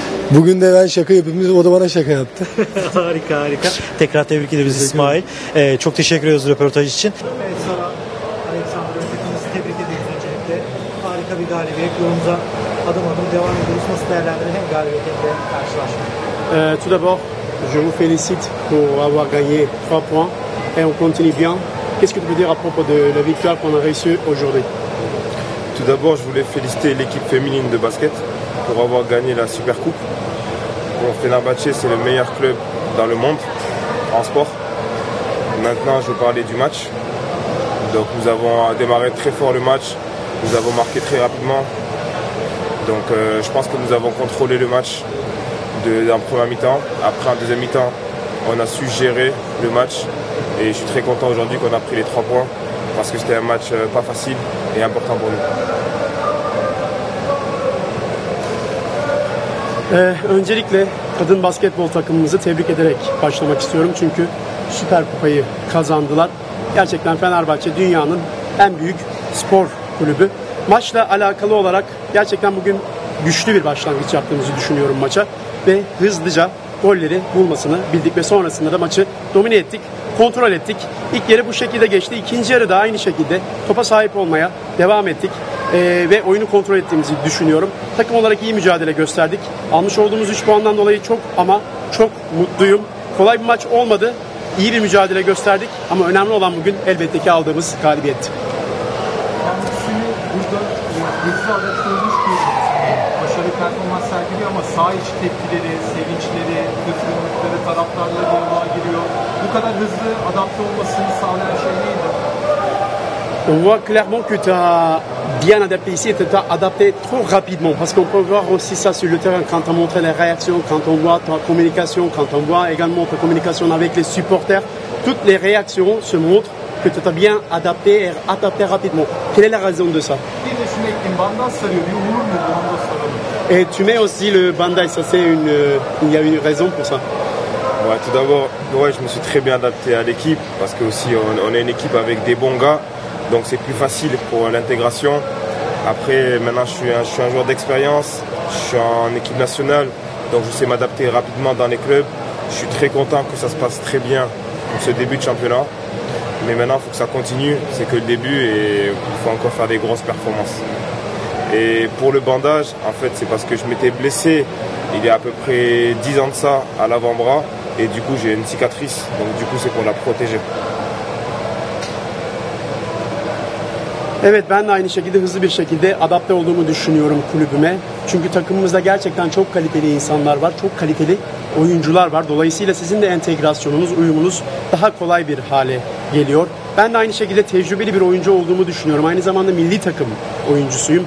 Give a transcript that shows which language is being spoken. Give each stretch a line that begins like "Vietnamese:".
Turkish: Bugün de ben şaka yapayım. O da bana şaka yaptı. Harika harika. Tekrar tebrik ederiz İsmail. Çok teşekkür ediyoruz röportaj için. Evet, sana Aleksandr'ı hepimizi tebrik ediyoruz öncelikle. Harika bir galibiyet. Yolumuza adım adım devam ediyoruz. Nasıl değerlendirir hem galibiyet hem de karşılaşma?
French: Tout d'abord, je vous félicite pour avoir gagné 3 points. Et on continue bien. Qu'est-ce que tu peux dire à propos de la victoire qu'on a réussie aujourd'hui? Tout d'abord, je voulais féliciter l'équipe féminine de basket pour avoir gagné la Super Coupe. Pour Fenerbahçe, c'est le meilleur club dans le monde en sport. Maintenant, je vais parler du match. Donc nous avons démarré très fort le match, nous avons marqué très rapidement. Donc je pense que nous avons contrôlé le match en première mi-temps. Après en deuxième mi-temps, on a su gérer le match. Et je suis très content aujourd'hui qu'on a pris les 3 points parce que c'était un match pas facile et important pour nous.
Turkish: Öncelikle kadın basketbol takımımızı tebrik ederek başlamak istiyorum. Çünkü Süper Kupa'yı kazandılar. Gerçekten Fenerbahçe dünyanın en büyük spor kulübü. Maçla alakalı olarak gerçekten bugün güçlü bir başlangıç yaptığımızı düşünüyorum maça. Ve hızlıca golleri bulmasını bildik ve sonrasında da maçı domine ettik, kontrol ettik. İlk yarı bu şekilde geçti. İkinci yarı da aynı şekilde topa sahip olmaya devam ettik. Ve oyunu kontrol ettiğimizi düşünüyorum. Takım olarak iyi mücadele gösterdik. Almış olduğumuz 3 puandan dolayı çok ama çok mutluyum. Kolay bir maç olmadı. İyi bir mücadele gösterdik. Ama önemli olan bugün elbette ki aldığımız galibiyet. Yani şimdi burada yetişe adet olmuş bir başarı performans sergiliyor ama sağ içi tepkileri, sevinçleri, kızgınlıkları, taraftarları yoluna giriyor. Bu kadar hızlı adapte olmasını sağlayan şey neydi?
French: On voit clairement que tu as bien adapté ici et tu as adapté trop rapidement parce qu'on peut voir aussi ça sur le terrain quand on montre les réactions, quand on voit ta communication, quand on voit également ta communication avec les supporters, toutes les réactions se montrent que tu as bien adapté et adapté rapidement. Quelle est la raison de ça? Et tu mets aussi le bandai, ça c'est une, il y a une raison pour ça. Ouais, tout d'abord, ouais, je me suis très bien adapté à l'équipe parce que aussi on est une équipe avec des bons gars. Donc c'est plus facile pour l'intégration. Après, maintenant, je suis un joueur d'expérience. Je suis en équipe nationale. Donc je sais m'adapter rapidement dans les clubs. Je suis très content que ça se passe très bien pour ce début de championnat. Mais maintenant, il faut que ça continue. C'est que le début et il faut encore faire des grosses performances. Et pour le bandage, en fait, c'est parce que je m'étais blessé il y a à peu près 10 ans de ça à l'avant-bras. Et du coup, j'ai une cicatrice. Donc du coup, c'est pour la protéger.
Turkish: Evet, ben de aynı şekilde hızlı bir şekilde adapte olduğumu düşünüyorum kulübüme. Çünkü takımımızda gerçekten çok kaliteli insanlar var, çok kaliteli oyuncular var. Dolayısıyla sizin de entegrasyonunuz, uyumunuz daha kolay bir hale geliyor. Ben de aynı şekilde tecrübeli bir oyuncu olduğumu düşünüyorum. Aynı zamanda milli takım oyuncusuyum.